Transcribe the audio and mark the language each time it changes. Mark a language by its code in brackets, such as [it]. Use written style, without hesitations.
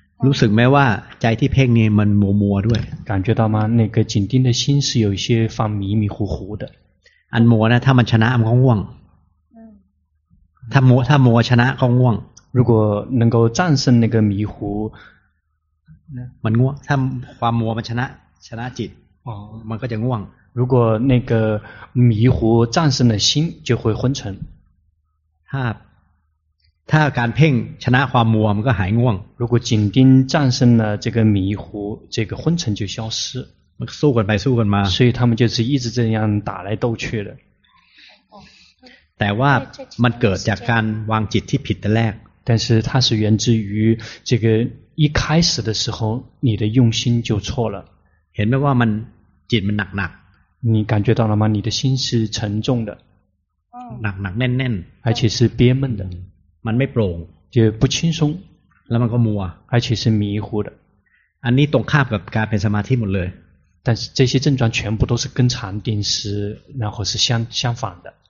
[th] รู้สึกไหมว่าใจที่เพ่งนี่มันมัวมัวด้วย [zh] 感觉到吗那个紧盯的心是有一些发迷迷糊糊的 [th] อันมัวนะถ้ามันชนะมันก็ง่วงถ้ามัวชนะก็ง่วง [zh] 如果能够战胜那个迷糊 [th] มันง่วงถ้าความมัวมันชนะจิตมันก็จะง่วง [zh] 如果那个迷糊战胜了心就会昏沉 [th] ถ้าการเพ่งชนะความมัวมันก็หายง่วง [zh] 如果紧盯战胜了这个迷糊这个昏沉就消失 ม 输过来输过来所以他们就是一直这样打来斗去的 [th] แต่ว่ามันเกิดจากการวางจิตที่ผิดแต่แรก [zh] 但是它是源自于这个一开始的时候你的用心就错了 [th] เห็นไหมว่ามันจิตมันหนักหนัก [zh] 你感觉到了吗你的心是沉重的 [th] หนักหนักแน่นแน่น [zh] 而且是憋闷的 [th] มันไม่โปร่ง [zh] 就不轻松 [th] แล้วมันก็มัว [zh] 而且是迷糊的 [th] อันนี้ตรงข้ามกับการเป็นสมาธิหมดเลย [zh] 但是这些症状全部都是跟禅定是然后是相反的